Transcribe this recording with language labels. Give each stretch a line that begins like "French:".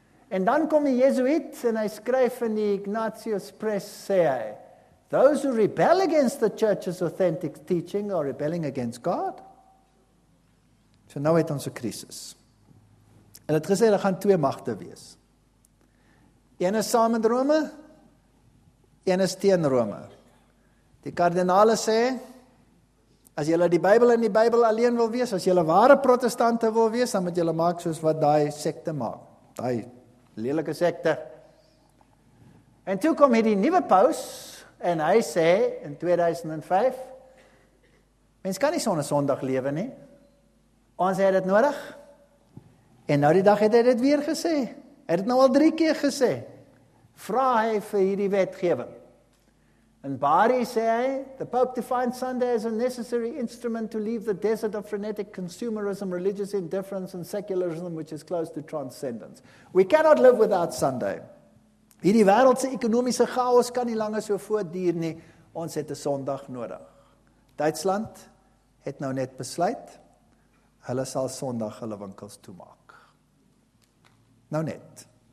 Afrikaans: En dan kom die Jesuit en hy skryf in die Ignatius Press, sê hy,
English: those who rebel against the church's authentic teaching are rebelling against God.
Afrikaans: So nou het ons 'n krisis. En het gesê, daar gaan twee magte wees. Een is saam met Rome, een is teen Rome. Die kardinale sê, as jylle die Bybel in die Bybel alleen wil wees, as jylle ware protestante wil wees, dan moet jylle maak soos wat die sekte maak. Die lelike sekte. En toe kom hier die nuwe paus, en hy sê in 2005, mens kan nie sonder Sondag lewe nie. Ons het dit nodig. En nou die dag het hy dit weer gesê. Hy het nou al 3 keer gesê. Vra hy vir hierdie wetgewing. In Bari sê hy,
English: the Pope defines Sunday as a necessary instrument to leave the desert of frenetic consumerism, religious indifference and secularism, which is close to transcendence. We cannot live without Sunday.
Afrikaans: Hierdie wêreldse ekonomiese chaos kan nie langer so voortduur nie. Ons het 'n Sondag nodig. Duitsland het nou net besluit, hulle sal Sondag hulle winkels toemaak. Nou net.